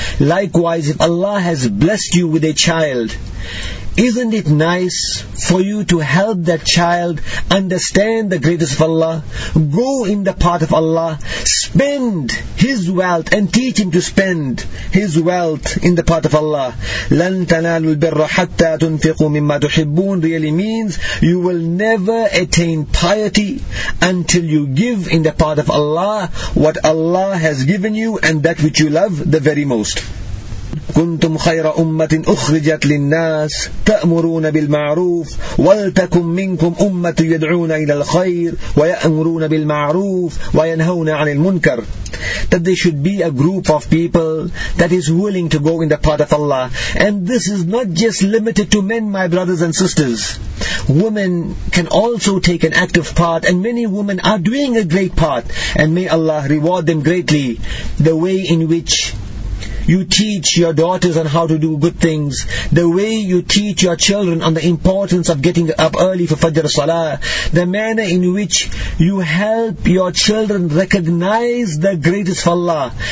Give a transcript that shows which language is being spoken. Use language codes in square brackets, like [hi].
[en] Likewise, if Allah has blessed you with a child, isn't it nice for you to help that child understand the greatness of Allah, go in the path of Allah, spend his wealth, and teach him to spend his wealth in the path of Allah? [ar] لَن تَنَالُوا الْبِرَّ حَتَّى تُنْفِقُوا مِمَّا تُحِبُّونَ [en] really means you will never attain piety until you give in the path of Allah what Allah has given you and that which you love the very most. [ar] كنتم خير أمة أخرجت للناس تأمرون بالمعروف ولتكن منكم أمة يدعون إلى الخير ويأمرون بالمعروف وينهون عن المنكر. [en] That there should be a group of people that is willing to go in the path of Allah. And this is not just limited to men, my brothers and sisters. Women can also take an active part, and many women are doing a great part. And may Allah reward them greatly. The way in which you teach your daughters on how to do good things, the way you teach your children on the importance of getting up early for Fajr Salah, the manner in which you help your children recognize the greatest of Allah.